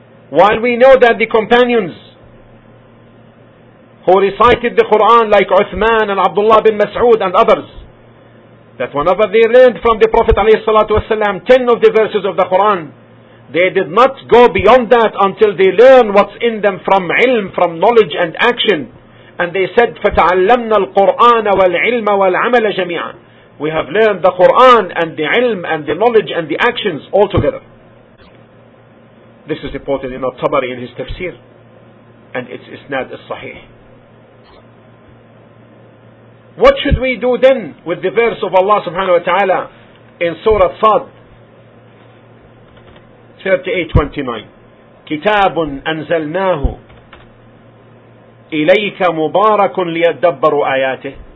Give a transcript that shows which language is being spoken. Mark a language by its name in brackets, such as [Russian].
[English] While we know that the companions who recited the Quran, like Uthman and Abdullah bin Mas'ud and others, that whenever they learned from the Prophet ﷺ 10 of the verses of the Quran, they did not go beyond that until they learn what's in them from ilm, from knowledge and action. [Arabic] And they said, فَتَعَلَّمْنَا الْقُرْآنَ وَالْعِلْمَ وَالْعَمَلَ جَمِيعًا. [English] We have learned the Quran and the ilm and the knowledge and the actions all together. This is reported in At-Tabari in his tafsir. And its isnad is sahih. What should we do then with the verse of Allah subhanahu wa ta'ala in Surah Sad 38:29, [Arabic] كتاب أنزلناه إليك مبارك ليدبروا آياته.